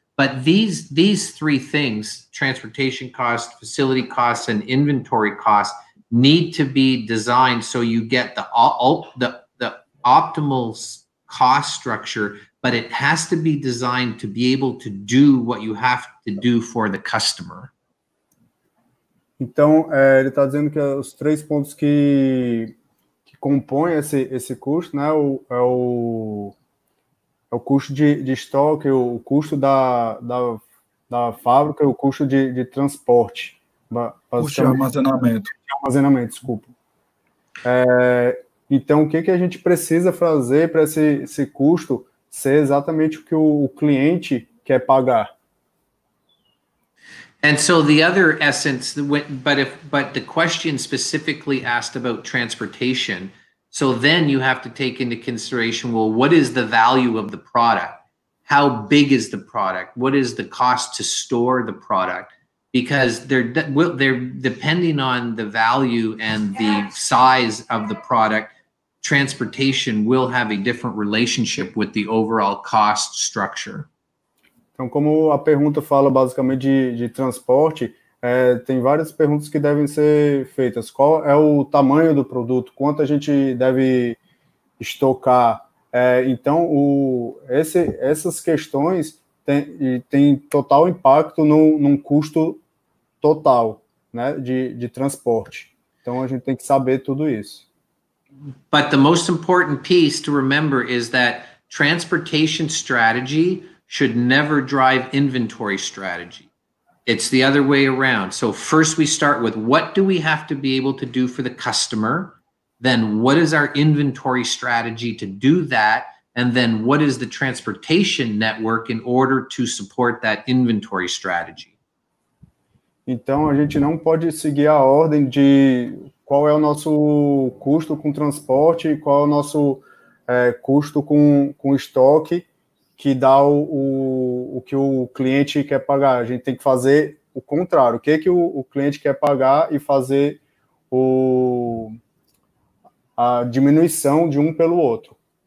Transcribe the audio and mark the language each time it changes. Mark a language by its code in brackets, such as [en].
[en] But these three things, transportation costs, facility costs, and inventory costs, need to be designed so you get the optimal cost structure, but it has to be designed to be able to do what you have to do for the customer. [pt] Então, ele está dizendo que os três pontos que compõem esse custo, né, é o custo de estoque, o custo da fábrica, o custo de transporte. Armazenamento, desculpa. Então, o que que a gente precisa fazer para esse custo ser exatamente o que o cliente quer pagar? [en] And so the other essence, but the question specifically asked about transportation, so then you have to take into consideration, well, what is the value of the product? How big is the product? What is the cost to store the product? Because they're depending on the value and the size of the product, transportation will have a different relationship with the overall cost structure. [pt] Então, como a pergunta fala basicamente de transporte, tem várias perguntas que devem ser feitas. Qual é o tamanho do produto? Quanto a gente deve estocar? Então, essas questões têm total impacto num custo total, né, de transporte. Então a gente tem que saber tudo isso. [en] But the most important piece to remember is that transportation strategy should never drive inventory strategy. It's the other way around. So first we start with what do we have to be able to do for the customer, then what is our inventory strategy to do that, and then what is the transportation network in order to support that inventory strategy. [pt] Então, a gente não pode seguir a ordem de qual é o nosso custo com transporte e qual é o nosso custo com estoque que dá o que o cliente quer pagar. A gente tem que fazer o contrário, o que, que o cliente quer pagar e fazer o, a diminuição de um pelo outro.